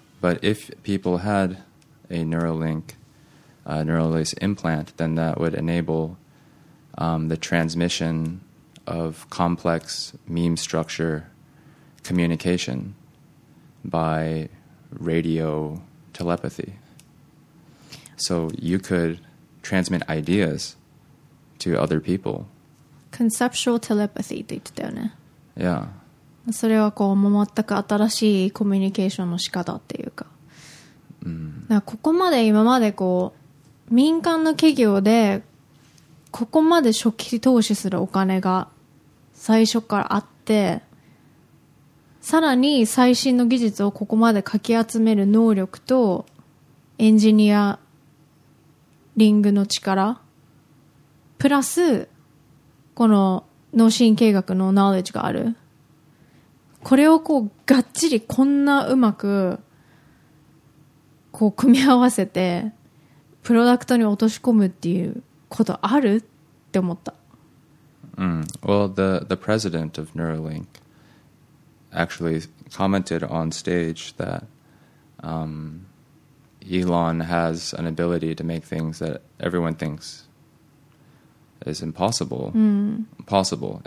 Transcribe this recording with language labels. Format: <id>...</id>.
<en>But if people had a Neuralink, a Neuralace implant, then that would enable the transmission of complex meme structure. Communication by radio telepathy. So you could transmit ideas to other people. Conceptual telepathy</en> <ja>って言ってたよね。</ja> <en>Yeah.</en> <ja>それはこう全く新しいコミュニケーションの仕方っていうか。だからここまで今までこう民間の企業でここまで初期投資するお金が最初からあって、さらに最新の技術をここまでかき集める能力とエンジニアリングの力プラスこの脳神経学のナウレッジがある、これをこうがっちりこんなうまくこう組み合わせてプロダクトに落とし込むっていうことあるって思った。</ja> <en>Well, the president of NeuralinkActually commented on stage that Elon has an ability to make things that everyone thinks is impossible, possible.</en>